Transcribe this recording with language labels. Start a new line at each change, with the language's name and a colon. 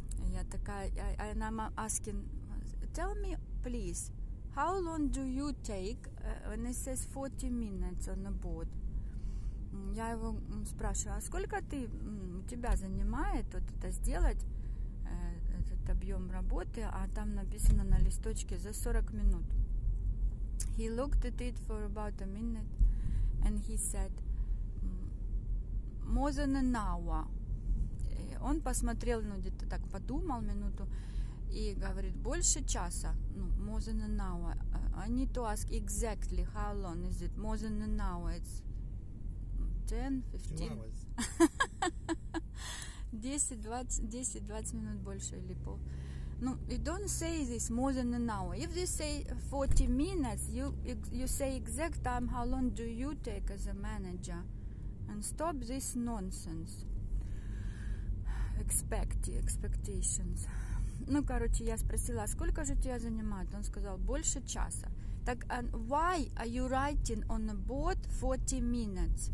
Russian: Я такая,
English: and I'm asking, tell me, please, how long do you take when it says 40 minutes on the board?
Russian: Я его спрашиваю, а сколько ты тебя занимает вот это сделать? Этот объем работы, а там написано на листочке за 40 минут.
English: He looked at it for about a minute and he said more than an hour.
Russian: И он посмотрел, где-то так подумал минуту и говорит, больше часа,
English: more than an hour. I need to ask exactly how long is it. More than an hour, it's 10-15.
Russian: 10-20 минут больше или пол.
English: No, you don't say this more than an hour. If you say 40 minutes, you say exact time, how long do you take as a manager? And stop this nonsense. Expectations.
Russian: Короче, я спросила, сколько же тебя занимает? Он сказал, больше часа.
English: Так, and why are you writing on the board 40 minutes?